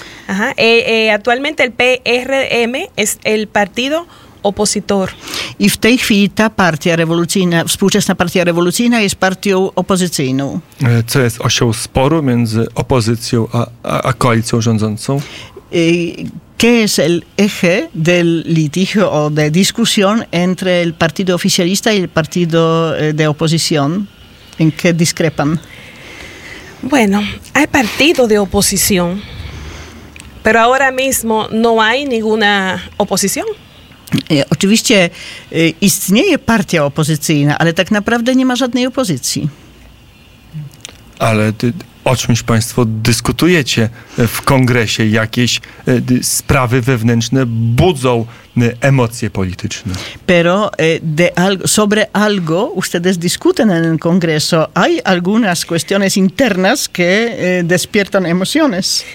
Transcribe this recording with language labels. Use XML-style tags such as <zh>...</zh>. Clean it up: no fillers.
<es>Aha, actualmente el PRM es el partido opositor.</es> <pl>I w tej chwili ta partia rewolucyjna, współczesna partia rewolucyjna jest partią opozycyjną. Co jest osią sporu między opozycją a koalicją rządzącą?</pl> <es>¿Qué es el eje del litigio o de discusión entre el partido oficialista y el partido de oposición? ¿En qué discrepan? Bueno, hay partido de oposición, pero ahora mismo no hay ninguna oposición.</es> <pl>Oczywiście istnieje partia opozycyjna, ale tak naprawdę nie ma żadnej opozycji. Ale o czymś państwo dyskutujecie w kongresie, jakieś sprawy wewnętrzne budzą emocje polityczne.</pl> <es>Pero de algo, sobre algo ustedes discuten en el congreso. Hay algunas cuestiones internas que despiertan emociones.</es>